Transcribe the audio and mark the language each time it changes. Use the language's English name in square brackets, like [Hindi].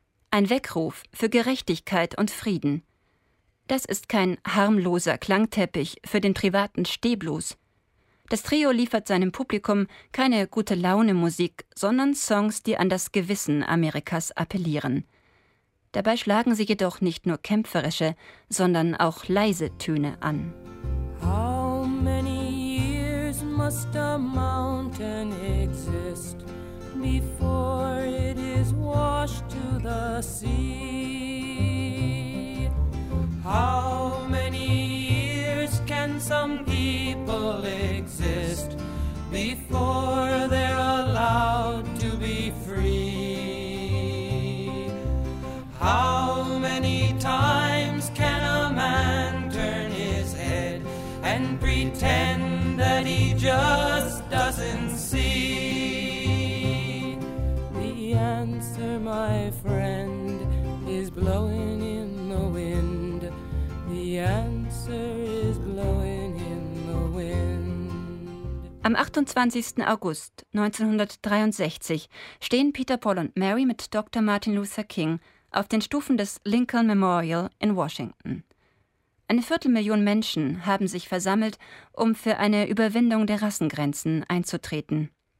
[German] Ein Weckruf für Gerechtigkeit und Frieden. Das ist kein harmloser Klangteppich für den privaten Stehblues. Das Trio liefert seinem Publikum keine Gute-Laune-Musik, sondern Songs, die an das Gewissen Amerikas appellieren. Dabei schlagen sie jedoch nicht nur kämpferische, sondern auch leise Töne an. [English] How many years must a mountain exist before it is washed to the sea? How many years can some people exist before they're allowed to be free? How many times can a man turn his head and pretend that he just doesn't see? The answer, my friend, is blowing in the wind. The answer is blowing in the wind. [German] Am 28. August 1963 stehen Peter, Paul und Mary mit Dr. Martin Luther King auf den Stufen des Lincoln Memorial in Washington. Eine 250.000 Menschen haben sich versammelt, um für eine Überwindung der Rassengrenzen einzutreten.